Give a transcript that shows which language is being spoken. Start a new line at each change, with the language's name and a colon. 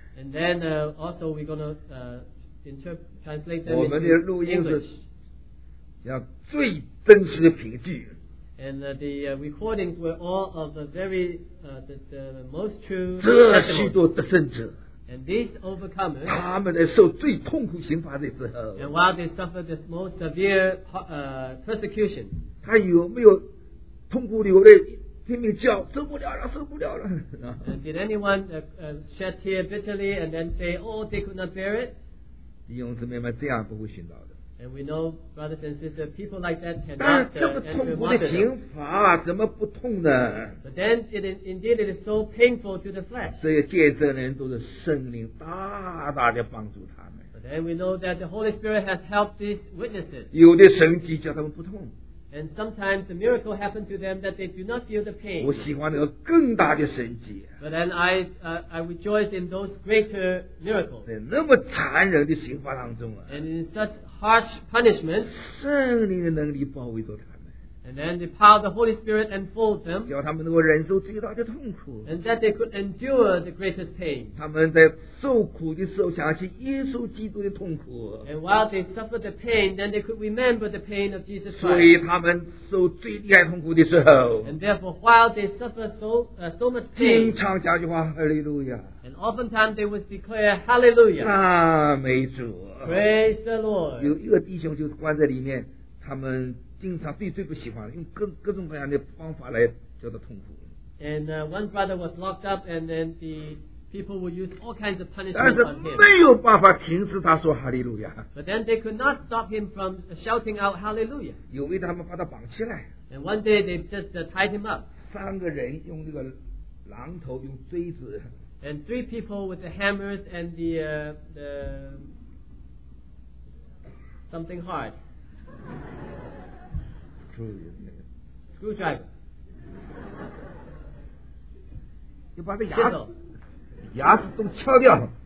English: and then also we're going to translate them into English. And the recordings were all of the very the most true testimonies. And these overcomers,
Chinese: 他们在受最痛苦刑罚的时候,
English: and while they suffered this most severe persecution,
Chinese: 他有没有痛苦流泪, 拼命叫, 受不了了,
English: and did anyone shed tear bitterly and then say, oh, they could not bear it?
Chinese: 弟兄姊妹们这样不会寻找的,
English: and we know, brothers and sisters, people like that cannot enter martyrdom. But then, it is, indeed, it is so painful to the flesh. But then we know that the Holy Spirit has helped these witnesses.
Chinese: 有的神迹叫他们不痛,
English: and sometimes the miracle happens to them that they do not feel the pain.
Chinese: 我喜欢那个更大的神迹,
English: but then I rejoice in those greater miracles.
Chinese: 在那么残忍的刑罚当中啊,
English: and in such harsh punishment,
Chinese: 圣灵的能力包围着他们,
English: and then the power of the Holy Spirit enfolds them,
Chinese: 叫他们能够忍受最大的痛苦,
English: and that they could endure the greatest pain.
Chinese: 他们在受苦的时候想起耶稣基督的痛苦,
English: and while they suffer the pain, then they could remember the pain of Jesus Christ.
Chinese: 所以他们受最厉害痛苦的时候,
English: and therefore while they suffer so much pain,
Chinese: 经常讲句话, Hallelujah,
English: and oftentimes they would declare Hallelujah,
Chinese: 赞美主,
English: praise the Lord.
Chinese: 有一个弟兄就关在里面, 他们 经常对最不喜欢的用各种各样的方法来叫他痛苦,
English: and one brother was locked up, and then the people would use all kinds of punishment on him, but then they could not stop him from shouting out Hallelujah. 有一天他们把他绑起来, and one day they just tied him up, 三个人用这个榔头用锥子, and three people with the hammers and the something hard. Screwdriver.